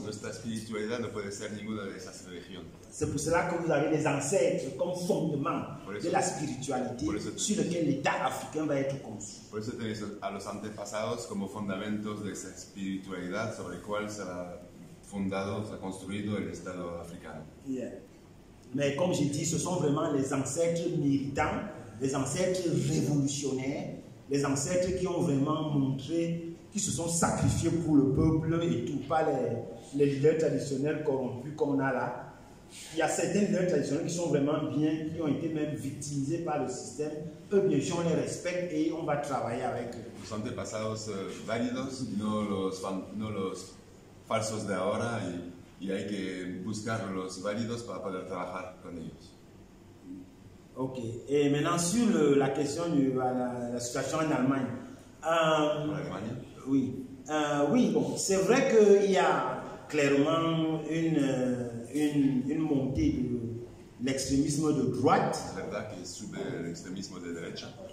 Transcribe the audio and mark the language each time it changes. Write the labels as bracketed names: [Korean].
[French] Notre spiritualité ne peut être [Spanish] ninguna [French] de ces religions. C'est pour cela que vous avez les ancêtres comme fondement de la spiritualité sur lequel l'État africain va être conçu. [Spanish] Por eso tenéis a los antepasados como fundamentos de esa espiritualidad sobre la cual será fundado, se ha construido el Estado africano. [French] Mais comme j'ai dit, ce sont vraiment les ancêtres militants, les ancêtres révolutionnaires, les ancêtres qui ont vraiment montré, qui se sont sacrifiés pour le peuple et tout, pas les leaders traditionnels corrompus qu'on a là. Il y a certains leaders traditionnels qui sont vraiment bien, qui ont été même victimisés par le système. Eux, bien sûr, on les respecte et on va travailler avec eux. [Spanish] Los antepasados válidos, no los falsos de ahora y hay que buscar los válidos para poder trabajar con ellos. [French] Ok, y maintenant sur la question de la [Spanish] situación [French] en Allemagne. Allemagne? Oui. Oui, bon, c'est vrai qu'il y a clairement une montée de l'extrémisme de droite. [Spanish] Es verdad que sube el extremismo de derecha.